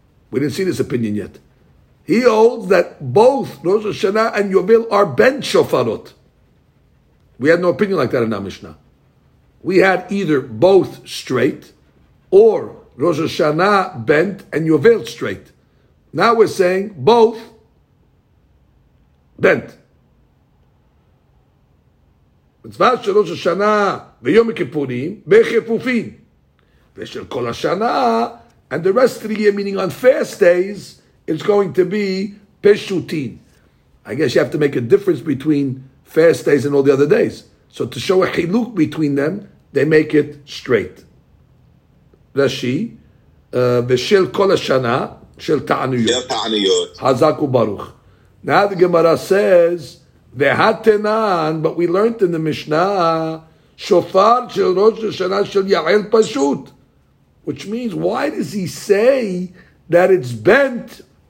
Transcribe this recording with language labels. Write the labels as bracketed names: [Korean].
[English] We didn't see this opinion yet. He holds that both Rosh Hashanah and Yovel are bent shofarot. We had no opinion like that in our Mishnah. We had either both straight or Rosh Hashanah bent and Yovel straight. Now we're saying both bent. [Hebrew] מצווה של ראש השנה ויום הכיפורים בחפופים. ושל כל השנה, [English] and the rest of the year, meaning on fast days, it's going to be פשוטים. I guess you have to make a difference between fast days and all the other days. So to show a חילוק between them, they make it straight. [Hebrew] רש"י, ושל כל השנה, של תעניות. של תעניות. חזק וברוך. [English] Now the Gemara says, והתנן, but we learned in the Mishnah, [Hebrew] שופר של ראש השנה של יעל פשוט. [English] Which means, why does he say that it's bent?